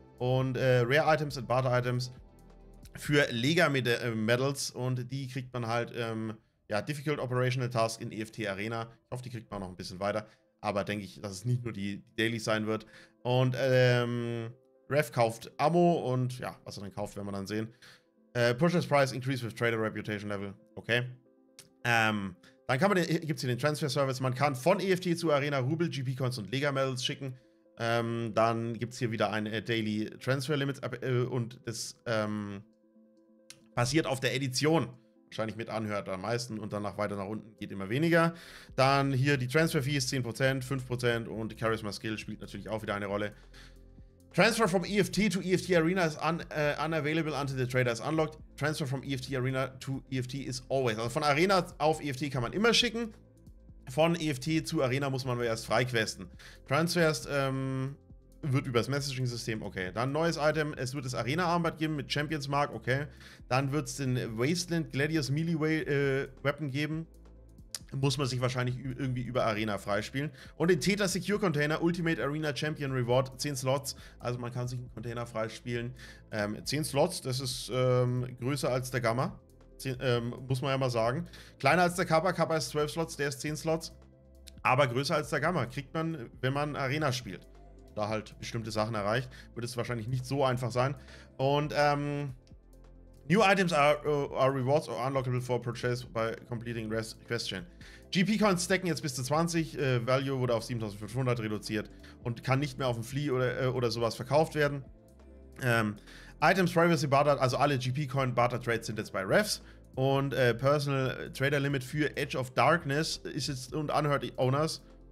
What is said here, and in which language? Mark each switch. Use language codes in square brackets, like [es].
[de] Und Rare-Items und Barter-Items für Lega-Medals. Und die kriegt man halt... ja, [en] Difficult Operational Task in EFT Arena. [de] Ich hoffe, die kriegt man noch ein bisschen weiter. Aber denke ich, dass es nicht nur die Daily sein wird. Und Ref kauft Ammo und ja, was er dann kauft, werden wir dann sehen. [en] Purchase Price increase with Trader Reputation Level. Okay. [de] Dann gibt es hier den Transfer Service. Man kann von EFT zu Arena Rubel, GP Coins und Lega Medals schicken. Dann gibt es hier wieder ein Daily Transfer Limit. Und das basiert auf der Edition. Wahrscheinlich mit anhört am meisten und danach weiter nach unten geht immer weniger. Dann hier die Transfer-Fees 10%, 5% und Charisma Skill spielt natürlich auch wieder eine Rolle. [en] Transfer from EFT to EFT Arena is unavailable until the trader is unlocked. Transfer from EFT Arena to EFT is always. [de] Also von Arena auf EFT kann man immer schicken. Von EFT zu Arena muss man aber erst freiquesten. Transfers wird über das Messaging-System, okay. Dann neues Item, es wird das Arena-Armband geben mit Champions Mark, okay. Dann wird es den Wasteland Gladius Melee Weapon geben. Muss man sich wahrscheinlich irgendwie über Arena freispielen. Und den Theta Secure Container, Ultimate Arena Champion Reward, 10 Slots. Also man kann sich einen Container freispielen. 10 Slots, das ist größer als der Gamma. Muss man ja mal sagen. Kleiner als der Kappa, Kappa ist 12 Slots, der ist 10 Slots. Aber größer als der Gamma kriegt man, wenn man Arena spielt. Da halt bestimmte Sachen erreicht, wird es wahrscheinlich nicht so einfach sein. [en] Und New Items are Rewards or Unlockable for Purchase by Completing Rest Question. [de] GP Coins stacken jetzt bis zu 20, Value wurde auf 7500 reduziert und kann nicht mehr auf dem Flea oder sowas verkauft werden. Items Privacy Barter, also alle GP Coin Barter Trades sind jetzt bei Refs. Und Personal Trader Limit für Edge of Darkness ist jetzt und Unheard Owners.